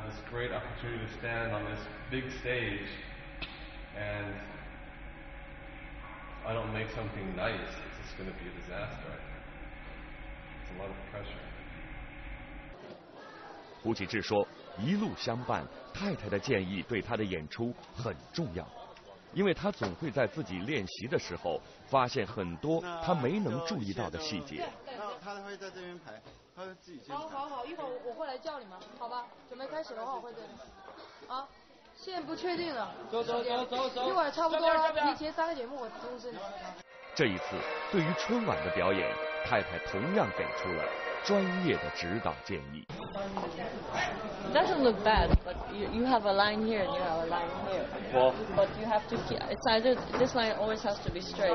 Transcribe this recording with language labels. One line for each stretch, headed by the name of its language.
English: Great opportunity to stand on this big stage, and I don't make something nice, it's just going to be a disaster. It's a lot of pressure.
Chinese: 胡启志说，一路相伴，太太的建议对他的演出很重要，因为他总会在自己练习的时候发现很多他没能注意到的细节。他会在这边排。好，一会儿我会来叫你们，好吧？准备开始的话，我会这样。啊，现在不确定了。走，一会儿差不多了，提前三个节目，我通知你。这一次对于春晚的表演，太太同样给出了专业的指导建议。
English: Doesn't look bad, but you have a line here and you have a line here. Well, but you have to keep. It's either this line always has to be straight.